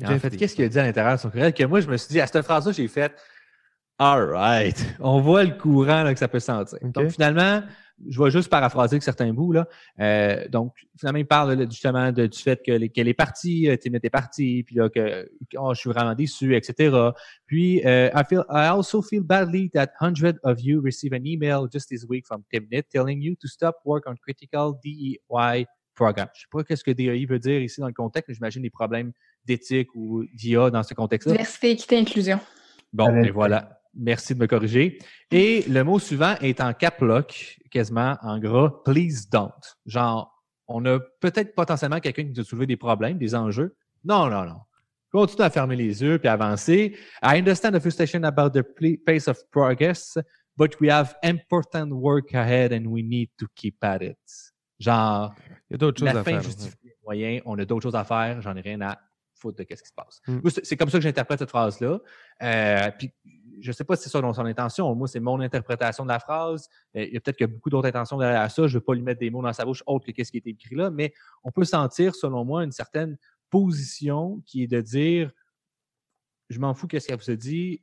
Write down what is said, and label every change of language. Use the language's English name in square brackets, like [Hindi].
[French] En fait, qu'est-ce qu'il a dit à l'intérieur de son courriel? Que moi, je me suis dit, à cette phrase-là, j'ai fait « [English] All right, [French] on voit le courant là, que ça peut sentir. Okay. » Donc, finalement, je vais juste paraphraser certains bouts. Là. Donc, finalement, il parle là, justement du fait qu'elle est partie, Timothy est parti, puis là, je suis vraiment déçu, etc. Puis, [English] I also feel badly that hundreds of you receive an email just this week from Timothy telling you to stop work on critical DEI programme. [French] Je ne sais pas ce que DEI veut dire ici dans le contexte, mais j'imagine des problèmes d'éthique ou d'IA dans ce contexte-là. Diversité, équité, inclusion. Bon, et voilà. Merci de me corriger. Et le mot suivant est en cap lock, quasiment en gras, [English] please don't. [French] Genre, on a peut-être potentiellement quelqu'un qui doit soulever des problèmes, des enjeux. Non, non, non. Continue à fermer les yeux puis avancer. [English] I understand the frustration about the pace of progress, but we have important work ahead and we need to keep at it. [French] Genre, il y a d'autres choses à faire. La fin justifie les moyens. On a d'autres choses à faire. J'en ai rien à foutre de qu'est-ce qui se passe. Mm. C'est comme ça que j'interprète cette phrase-là. Puis, je sais pas si c'est ça dans son intention. Moi, c'est mon interprétation de la phrase. Il y a peut-être qu'il y a beaucoup d'autres intentions derrière ça. Je veux pas lui mettre des mots dans sa bouche autre que qu'est-ce qui est écrit là. Mais on peut sentir, selon moi, une certaine position qui est de dire, je m'en fous qu'est-ce qu'elle vous a dit.